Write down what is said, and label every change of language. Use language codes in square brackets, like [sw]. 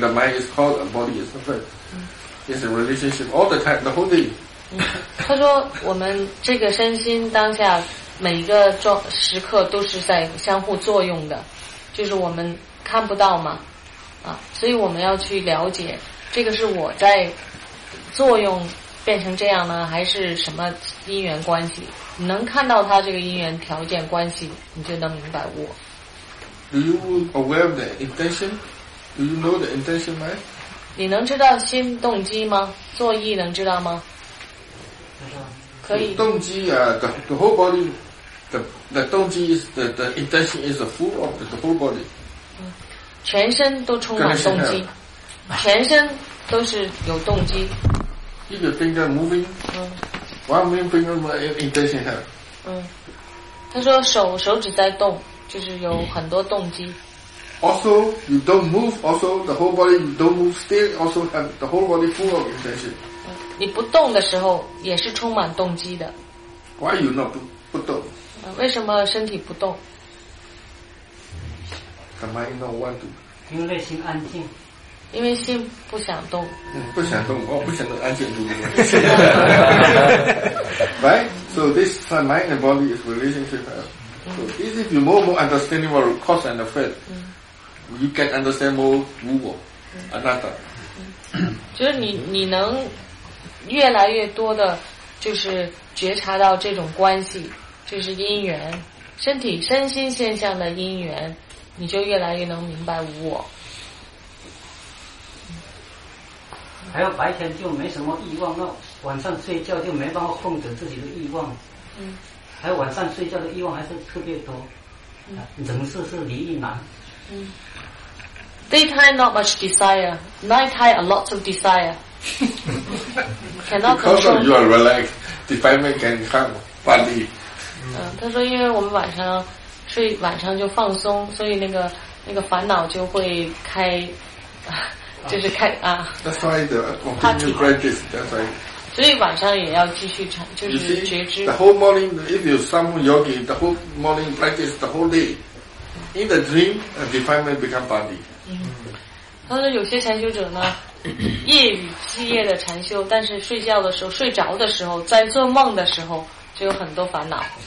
[en] The mind is cause, and body is effect. It's a relationship all the time, the whole day. [zh] 他说我们这个身心当下。每一个时刻都是在相互作用的，就是我们看不到嘛，啊，所以我们要去了解，这个是我在作用变成这样呢，还是什么因缘关系？你能看到他这个因缘条件关系，你就能明白悟。 [en] Do you aware of the intention? Do you know the intention, man? [zh] 你能知道心动机吗？作意能知道吗？可以。 [en] 动机啊 ，the whole body, the 动机 is the intention is full of the whole body. [zh] 全身都充满动机，全身都是有动机。一个 [en] finger moving, one main finger intention here. [zh] 嗯，他说手指在动，就是有很多动机。 [en] Also, you don't move. Also, the whole body you don't move still. Also, have the whole body full of intention. [zh] 你不动的时候也是充满动机的。 [en] Why you not [zh] 不动？为什么身体不动 [en] ？The mind not want to. [zh] 因为内心安静。因为心不想动。嗯，不想动，我不想动，安静，对不对？ [en] Right. So this mind and body is relationship. So is if you more understanding about cause and effect. You can understand more 无我 ，anatta。 [zh] 就是你能越来越多的，就是觉察到这种关系，就是因缘，身体身心现象的因缘，你就越来越能明白无我。还有白天就没什么欲望，那晚上睡觉就没办法控制自己的欲望。还有晚上睡觉的欲望还是特别多。人是离欲难。 [en] Daytime not much desire, nighttime a lot of desire. Cannot control. Because of you are relaxed, defilement can come body. [zh] 他说因为我们晚上就放松，所以那个烦恼就会开，就是开啊。 [en] That's why the continuous practice. That's why. [zh] 所以晚上也要继续禅，就是觉知。 [en] The whole morning, if you some yogi, the whole morning practice the whole day. In the dream, defilement become body. [zh] 他说有些禅修者呢，夜与之夜的禅修，但是睡觉的时候、睡着的时候、在做梦的时候，就有很多烦恼。